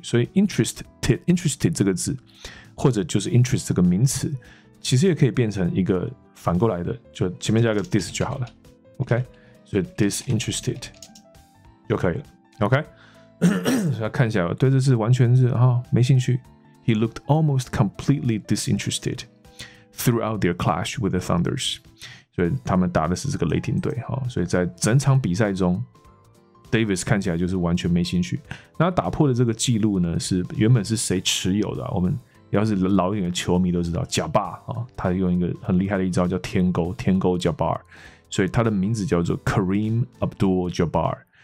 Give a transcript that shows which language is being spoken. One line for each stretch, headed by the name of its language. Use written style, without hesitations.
Chinese: 所以 interested 这个字，或者就是 interest 这个名词，其实也可以变成一个反过来的，就前面加个 dis 就好了 ，OK， 所以 disinterested 就可以了 ，OK 。所以看起来对这是完全是啊、哦、没兴趣。
English: He looked almost completely disinterested throughout their clash with the Thunders.
Chinese: 所以他们打的是这个雷霆队、哦、所以在整场比赛中 ，Davis 看起来就是完全没兴趣。那打破的这个记录呢，是原本是谁持有的、啊？我们要是老一点的球迷都知道，贾巴、哦、他用一个很厉害的一招叫天勾，天勾贾巴尔，所以他的名字叫做 Kareem Abdul-Jabbar。